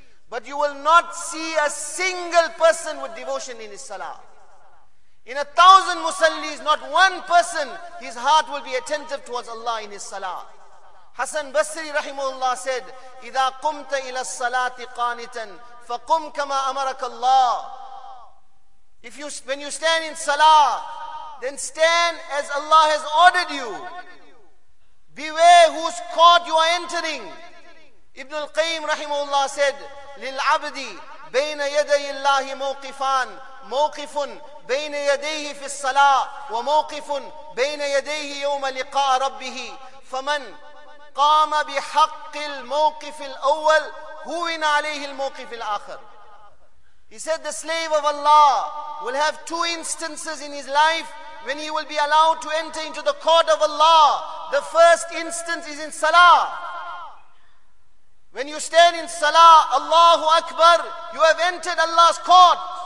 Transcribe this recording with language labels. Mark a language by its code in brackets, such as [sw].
[en] But you will not see a single person with devotion in his salah. In 1,000 musallis, not one person, his heart will be attentive towards Allah in his salah. [ar] Hasan Basri rahimahullah said, إِذَا قُمْتَ إِلَى الصَّلَاةِ قَانِتًا فَقُمْ كَمَا أَمَرَكَ اللَّهِ. [en] When you stand in salah, then stand as Allah has ordered you. Beware whose court you are entering. [ar] Ibn al-Qayyim rahimahullah said, لِلْعَبْدِ بَيْنَ يَدَيِ اللَّهِ مَوْقِفَانْ مَوْقِفٌ بَيْنَ يَدَيْهِ فِي الصَّلَاةِ وَمَوْقِفٌ بَيْنَ يَدَيْهِ يَوْمَ لِقَاءَ رَبِّهِ فَمَنْ قَامَ بِحَقِّ الْمَوْقِفِ الْأَوَّلِ هُوِنَ عَلَيْهِ الْمَوْقِفِ الْآخِرِ. [en] He said, the slave of Allah will have two instances in his life when he will be allowed to enter into the court of Allah. The first instance is in salah. When you stand in salah, Allahu Akbar, you have entered Allah's court.